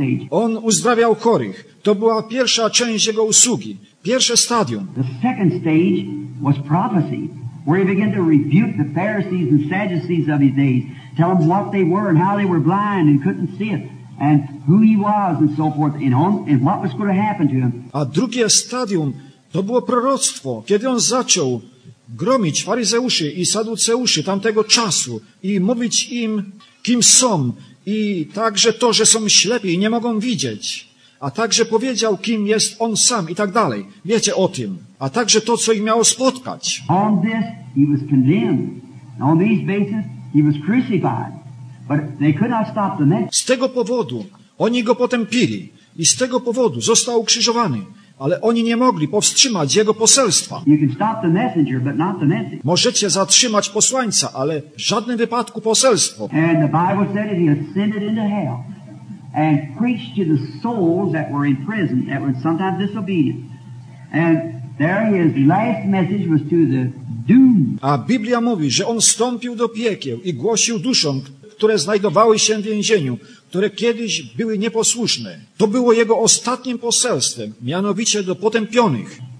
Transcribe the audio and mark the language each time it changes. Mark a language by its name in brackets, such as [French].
[Polish] On uzdrawiał chorych. To była pierwsza część jego usługi, pierwsze stadium. [English] The second stage was prophecy, where he began to rebuke the Pharisees and Sadducees of his days, tell them what they were and how they were blind and couldn't see it. And who he was and so forth, and what was going to happen to him. [Polish] A drugie stadium to było proroctwo, kiedy on zaczął gromić faryzeuszy i saduceuszy tamtego czasu i mówić im, kim są, i także to, że są ślepi i nie mogą widzieć, a także powiedział, kim jest on sam i tak dalej. Wiecie o tym. A także to, co ich miało spotkać. [English] On this he was condemned. On these basis he was crucified. But they could not stop the message. [Polish] Z tego powodu oni go potępili i z tego powodu został ukrzyżowany. Ale oni nie mogli powstrzymać jego poselstwa. [English] You can stop the messenger, but not the message. [Polish] Możecie zatrzymać posłańca, ale w żadnym wypadku poselstwo. [English] And the Bible said that he ascended into hell and preached to the souls that were in prison, that were sometimes disobedient. And there his last message was to the doomed. [Polish] A Biblia mówi, że on wstąpił do piekieł i głosił duszom, które znajdowały się w więzieniu, które kiedyś były nieposłuszne. To było jego ostatnim poselstwem, mianowicie do potępionych.